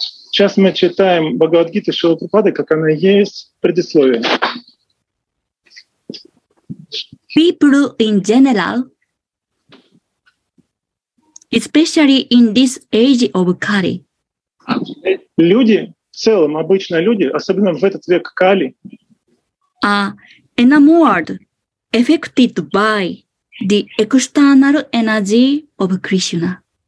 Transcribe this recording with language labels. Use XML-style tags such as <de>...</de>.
<ru>Сейчас мы читаем Бхагавад-гиту Шрилы Прабхупады, как она есть, предисловие.</ru> <en>people in general, especially in this age of Kali.</en> <ru>Люди в целом, обычно люди, особенно в этот век Кали,</ru> <en>are enamored, affected by the external energy of Krishna.</en>